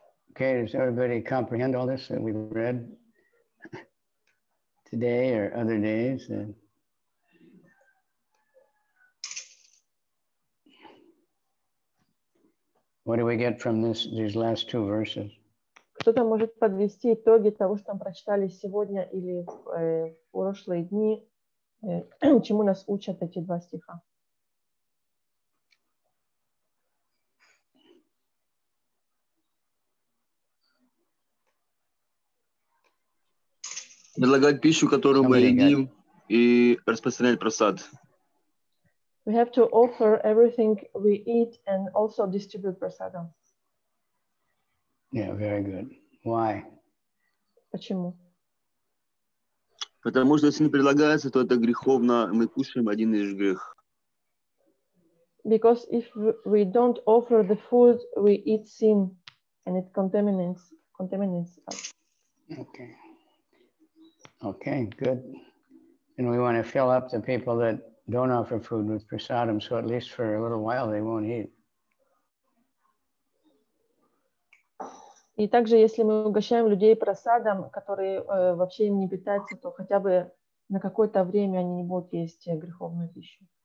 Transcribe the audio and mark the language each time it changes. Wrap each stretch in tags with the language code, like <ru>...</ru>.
<en>Okay, does everybody comprehend all this that we've read today or other days? What do we get from these last two verses?</en> <ru>Кто-то может подвести итоги того, что мы прочитали сегодня или в прошлые дни, чему нас учат эти два стиха? Предлагать пищу, которую мы едим, и распространять просад.</ru> <en>We have to offer everything we eat and also distribute prasada. Yeah, very good. Why?</en> <ru>Почему? Потому что если не предлагается, то это греховно. Мы кушаем один из грех.</ru> <en>Because if we don't offer the food, we eat sin, and it contaminates us. Okay. Okay, good. And we want to fill up the people that don't offer food with prasadam, so at least for a little while they won't eat.</en> <ru>И также, если мы угощаем людей просадом, которые вообще им не питаются, то хотя бы на какое-то время они не будут есть греховную пищу.</ru>